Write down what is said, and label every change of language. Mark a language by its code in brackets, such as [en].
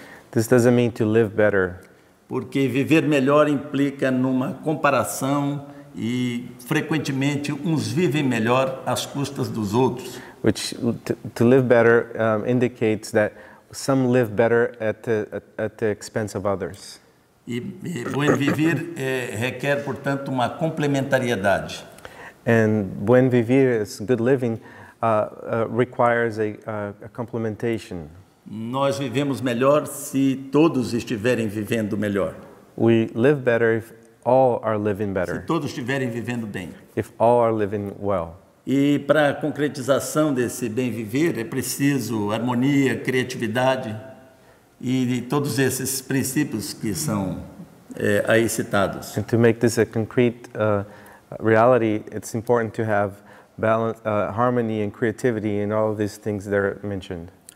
[en] This doesn't mean to live better. [pt] Porque viver melhor implica numa comparação e frequentemente uns vivem melhor às custas dos outros. [en] Which to live better indicates that some live better at the expense of others. [pt] E buen vivir requer, portanto, uma complementariedade. [en] And buen vivir is good living requires a complementation. [pt] Nós vivemos melhor se todos estiverem vivendo melhor. [en] We live better if all are living better. [pt] Se todos estiverem vivendo bem. [en] If all are living well. [pt] E para a concretização desse bem viver é preciso harmonia, criatividade e todos esses princípios que são aí citados. [en] And to make this a concrete reality, it's important to have balance, harmony and creativity in all of these things that are mentioned.